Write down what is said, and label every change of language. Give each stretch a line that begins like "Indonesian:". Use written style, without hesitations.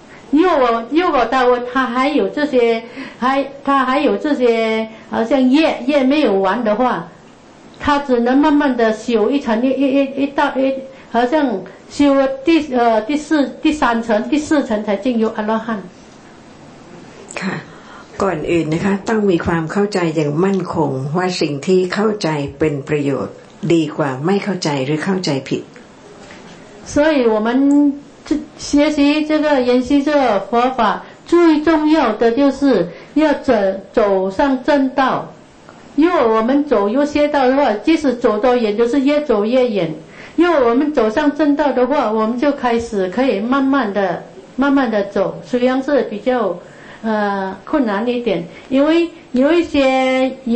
Chinese: 如果到他还有这些，他还有这些好像业没有完的话，他只能慢慢的修一层，一好像修第四层才进入阿罗汉。
Thai: ก่อนอื่นนะคะต้องมีความเข้าใจอย่างมั่นคงว่าสิ่งที่เข้าใจเป็นประโยชน์ดีกว่าไม่เข้าใจหรือเข้าใจผิด
Chinese: 所以我们学习这个研习这个佛法最重要的就是要走上正道，如果我们走入邪道的话，即使走多远就是越走越远，如果我们走上正道的话，我们就开始可以慢慢的走，虽然是比较困难一点，因为有一些